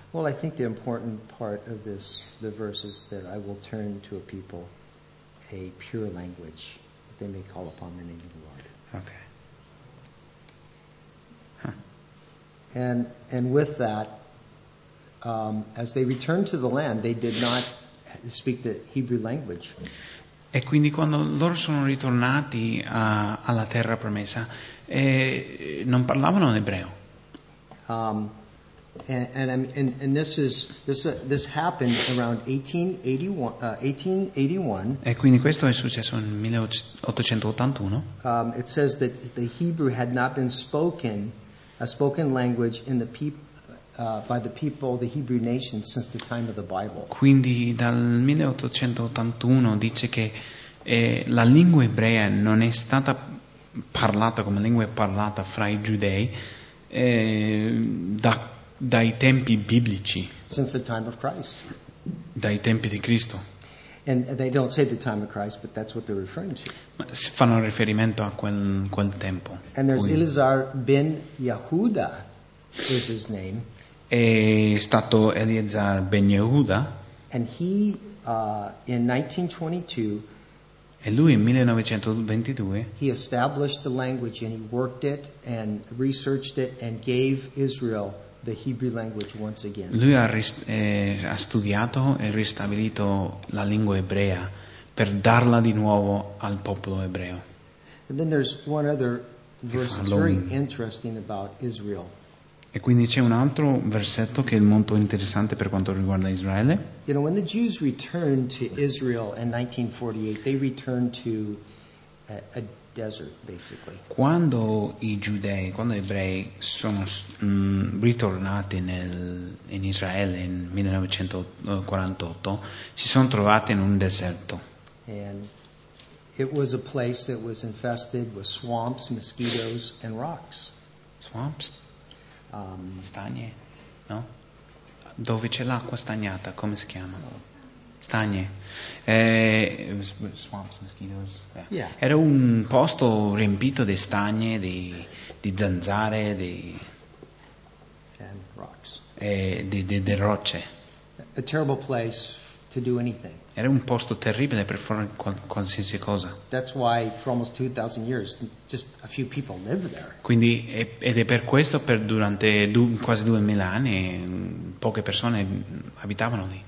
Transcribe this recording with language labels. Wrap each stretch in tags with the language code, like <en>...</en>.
<en>Well, I think the important part of this, the verse, is that I will turn to a people a pure language that they may call upon the name of the Lord. Okay. And with that, as they returned to the land, they did not speak the Hebrew language.</en> <it>E quindi quando loro sono ritornati alla terra promessa, non parlavano ebreo.</it> <en>And this happened around 1881.</en> <it>E quindi questo è successo nel 1881.</it> <en>It says that the Hebrew had not been spoken language in the by the people of the Hebrew nation since the time of the Bible.</en> <it>Quindi dal 1881 dice che la lingua ebrea non è stata parlata come lingua parlata fra i giudei dai tempi biblici.</it> <en>Since the time of Christ.</en> <it>Dai tempi di Cristo.</it> <en>And they don't say the time of Christ, but that's what they're referring to.</en> <it>Ma si fanno riferimento a quel tempo.</it> <en>And there's Eleazar ben Yehuda is his name.</en> <it>È stato Eleazar ben Yehuda.</it> <en>And he in 1922.</en> <it>E lui in 1922.</it> <en>He established the language and he worked it and researched it and gave Israel the Hebrew language once again.</en> <it>Lui ha studiato e ristabilito la lingua ebrea per darla di nuovo al popolo ebreo.</it> <en>And then there's one other verse that's very interesting about Israel.</en> <it>E quindi c'è un altro versetto che è molto interessante per quanto riguarda Israele.</it> <en>You know, when the Jews returned to Israel in 1948, they returned to a desert, basically.</en> <it>Quando i giudei, quando gli ebrei sono ritornati in Israele in 1948, si sono trovati in un deserto.</it> <en>And it was a place that was infested with swamps, mosquitoes, and rocks. Swamps?</en> <it>Stagne? No? Dove c'è l'acqua stagnata, come si chiama? Stagne.</it> <en>Swamps, mosquitoes. Yeah.</en> <it>Era un posto riempito di stagne, di zanzare,</it> <en>and rocks.</en> <it>De rocce.</it> <en>A terrible place to do anything.</en> <it>Era un posto terribile per fare qualsiasi cosa.</it> <en>That's why for almost 2,000 years, just a few people lived there.</en> <it>Quindi ed è per questo per durante quasi 2,000 anni poche persone abitavano lì.</it>